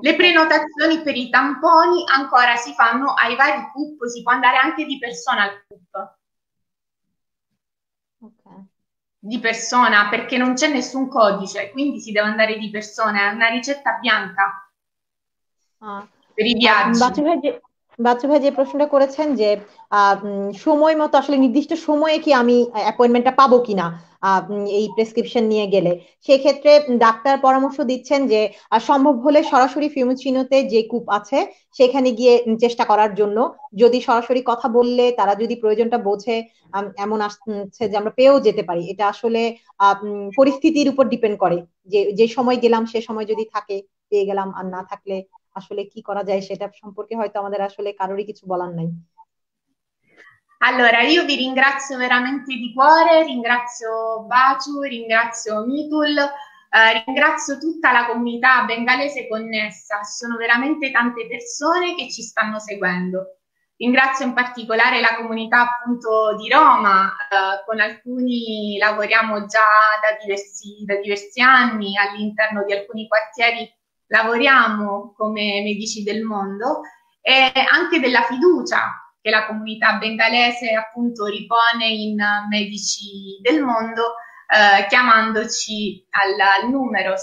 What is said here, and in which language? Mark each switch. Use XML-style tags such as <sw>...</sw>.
<it>Le prenotazioni per i tamponi ancora si fanno ai vari CUP, si può andare anche di persona al CUP. Di persona, perché non c'è nessun codice, quindi si deve andare di persona, è una ricetta bianca আ per i আ viaggi.</it> <bn>Bachchu ভাই যে প্রশ্নটা করেছেন যে সময় মতো আসলে নির্দিষ্ট সময়ে কি আমি অ্যাপয়েন্টমেন্টটা পাবো কিনা এই প্রেসক্রিপশন নিয়ে গেলে, সেক্ষেত্রে ডাক্তার পরামর্শ দিচ্ছেন যে সম্ভব হলে সরাসরি ফিউমিচিনোতে যে কূপ আছে সেখানে গিয়ে চেষ্টা করার জন্য, যদি সরাসরি কথা বললে তারা যদি প্রয়োজনটা বোঝে এমন আসছে যে আমরা পেয়েও যেতে পারি। এটা আসলে পরিস্থিতির উপর ডিপেন্ড করে যে যে সময় গেলাম সে সময় যদি থাকে পেয়ে গেলাম, আর না থাকলে আসলে কি করা যায় সেটা সম্পর্কে হয়তো আমাদের আসলে কারোরই কিছু বলার নাই।</bn> <it>Allora, io vi ringrazio veramente di cuore, ringrazio Baciu, ringrazio Mitul, ringrazio tutta la comunità bengalese connessa, sono veramente tante persone che ci stanno seguendo. Ringrazio in particolare la comunità appunto di Roma, con alcuni lavoriamo già da diversi anni, all'interno di alcuni quartieri lavoriamo come Medici del Mondo e anche della fiducia che la comunità bengalese appunto ripone in Medici del Mondo, chiamandoci al numero.</it>